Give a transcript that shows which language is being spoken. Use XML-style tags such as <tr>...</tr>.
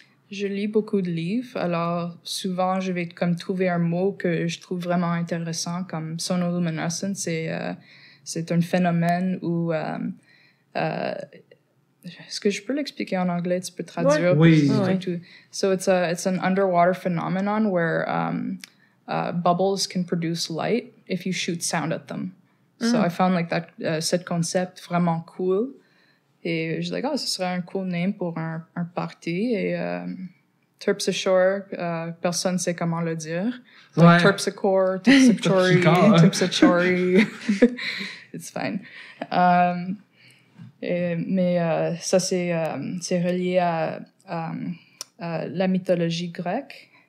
<fr>Je lis beaucoup de livres, alors souvent je vais comme trouver un mot que je trouve vraiment intéressant, comme sonoluminescence, c'est un phénomène où, est-ce que je peux l'expliquer en anglais, tu peux traduire? Oui.</fr> <en>So it's an underwater phenomenon where bubbles can produce light if you shoot sound at them. So I found like that</en> <fr>cet concept vraiment cool. Et je disais, oh, ce serait un</fr> <en>cool name</en> <fr>pour un party. Et Terpsichore, personne ne sait comment le dire. Donc, ouais.</fr> <en>Terpsichore, Terpsichore, Terpsichore. It's fine.</en> <fr>Ça, c'est relié à la mythologie grecque.</fr>